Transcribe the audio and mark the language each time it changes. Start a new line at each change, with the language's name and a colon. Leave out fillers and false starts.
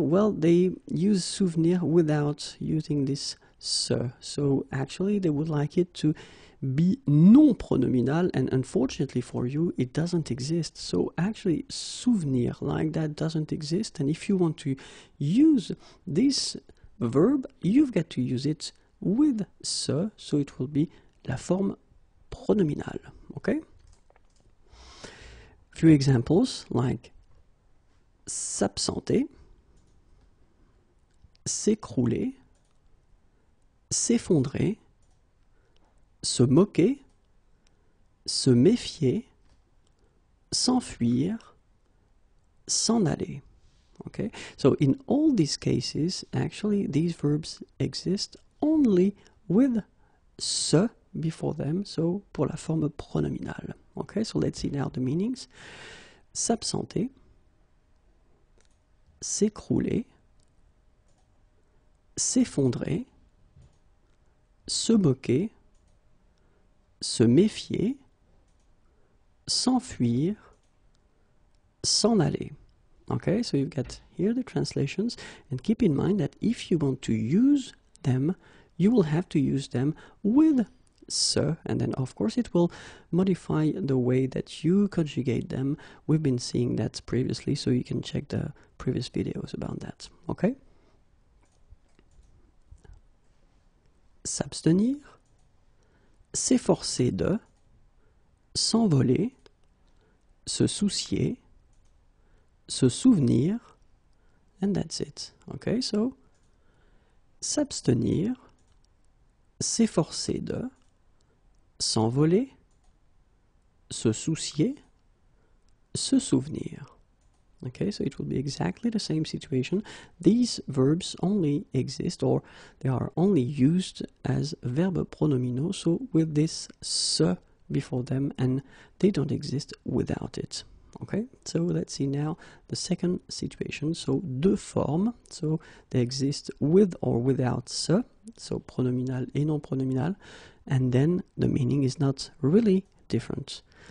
English: Well, they use souvenir without using this se, so actually they would like it to be non pronominal, and unfortunately for you it doesn't exist. So actually souvenir like that doesn't exist, and if you want to use this verb you've got to use it with ce, so it will be
French: la forme pronominale.
English: Okay? Few examples like
French: s'absenter, s'écrouler, s'effondrer, se moquer, se méfier, s'enfuir, s'en aller.
English: Okay? So in all these cases, actually these verbs exist only with se before them, so
French: pour la forme pronominale.
English: Okay, so let's see now the meanings.
French: S'absenter, s'écrouler, s'effondrer, se moquer, se méfier, s'enfuir, s'en aller.
English: Okay, so you've got here the translations, and keep in mind that if you want to use them, you will have to use them with se, and then of course it will modify the way that you conjugate them. We've been seeing that previously, so you can check the previous videos about that. Okay?
French: S'abstenir, s'efforcer de, s'envoler, se soucier, se souvenir,
English: and that's it. Okay, so
French: s'abstenir, s'efforcer de, s'envoler, se soucier, se souvenir.
English: Okay, so it will be exactly the same situation. These verbs only exist, or they are only used as
French: verbes pronominaux,
English: so with this se before them, and they don't exist without it. Okay, so let's see now the second situation. So,
French: deux formes,
English: so they exist with or without se, so
French: pronominal et non-pronominal,
English: and then the meaning is not really different.